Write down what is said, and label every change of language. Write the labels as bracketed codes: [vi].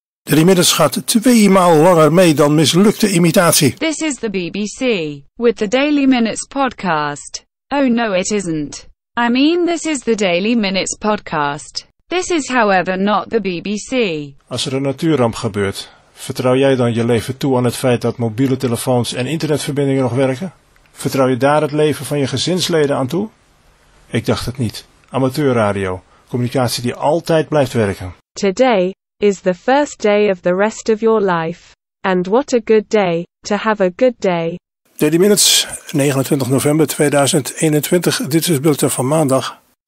[nl] Drie minutes gaat tweemaal langer mee dan mislukte imitatie. [en] This is the BBC, with the Daily Minutes podcast. Oh no, it isn't. I mean, this is the Daily Minutes podcast. This is however not the BBC. [nl] Als er een natuurramp gebeurt, vertrouw jij dan je leven toe aan het feit dat mobiele telefoons en internetverbindingen nog werken? Vertrouw je daar het leven van je gezinsleden aan toe? Ik dacht het niet. Amateurradio, communicatie die altijd blijft werken. [en] Today is the first day of the rest of your life. And what a good day, to have a good day. Daily Minutes, 29 november 2021. [nl] Dit is het bulletin van maandag.